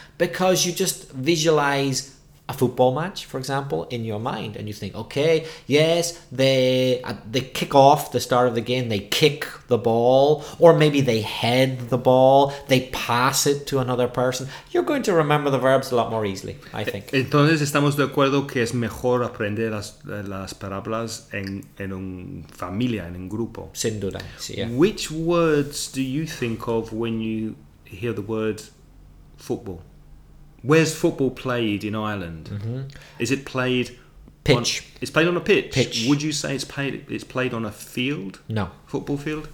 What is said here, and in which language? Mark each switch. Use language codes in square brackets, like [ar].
[en] Because you just visualize a football match, for example, in your mind and you think, okay, yes, they kick off the start of the game, they kick the ball, or maybe they head the ball, they pass it to another person. You're going to remember the verbs a lot more easily, I think. [es] Entonces estamos de acuerdo que es mejor aprender las palabras en un familia, en un grupo. Sin duda, sí. [en] Yeah. Which words do you think of when you hear the word football? Where's football played in Ireland? Mm-hmm. Is it played pitch? It's played on a pitch. Pitch. Would you say it's played on a field? No. Football field?